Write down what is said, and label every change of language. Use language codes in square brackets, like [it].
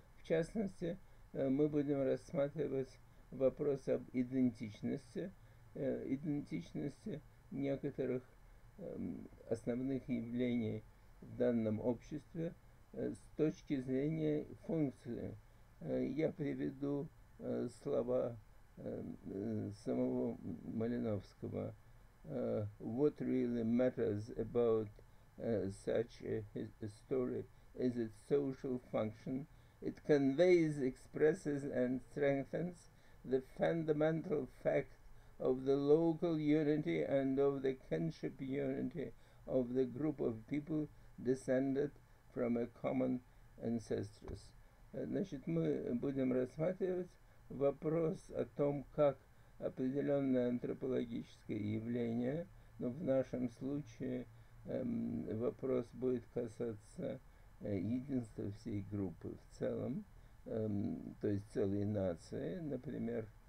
[ru] В частности, мы будем рассматривать вопрос об идентичности некоторых основных явлений в данном обществе с точки зрения функции. Я приведу слова самого Малиновского. [en] What really matters about such a story is its social function. It conveys, expresses, and strengthens the fundamental fact of the local unity and of the kinship unity of the group of people descended from a common ancestors. [ru] Значит, мы будем рассматривать вопрос о том, как определенное антропологическое явление, но в нашем случае вопрос будет касаться единства всей группы в целом, то есть целой нации, например,